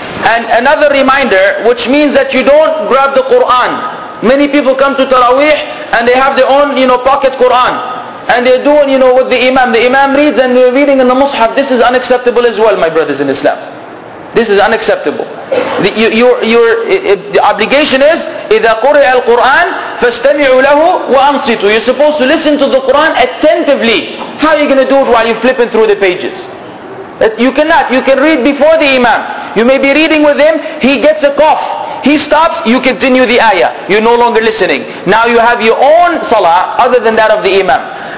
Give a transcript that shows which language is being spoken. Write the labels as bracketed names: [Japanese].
[English] And another reminder, which means that you don't grab the Quran. Many people come to Taraweeh and they have their own, you know, pocket Quran. And they're doing, you know, with the Imam. The Imam reads and they're reading in the Mus'haf. This is unacceptable as well, my brothers in Islam. This is unacceptable. The obligation is, [Arabic] إِذَا قُرِئَ الْقُرْآنِ فَاسْتَمِعُوا لَهُ وَأَنْصِتُوا. [English] You're supposed to listen to the Quran attentively. How are you going to do it while you're flipping through the pages? You cannot. You can read before the imam. You may be reading with him. He gets a cough. He stops. You continue the ayah. You're no longer listening. Now you have your own salah other than that of the imam.